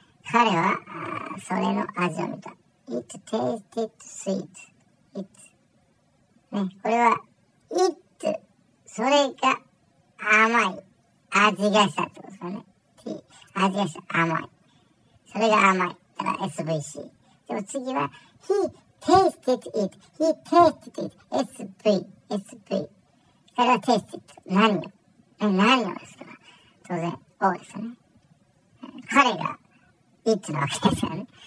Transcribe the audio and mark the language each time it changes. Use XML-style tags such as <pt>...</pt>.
<ja>彼はそれの味を見た。</ja> <en>It tasted sweet. It.</en> <ja>ね、これは it. それが甘い味がしたってことですかね。味がした。甘い。それが甘い。SVC。でも次は</ja> <en>He tasted it. He tasted it. SV。</en> <ja>彼は tasted 何をですか。当然 O ですね。彼が It のわけですよね。</ja>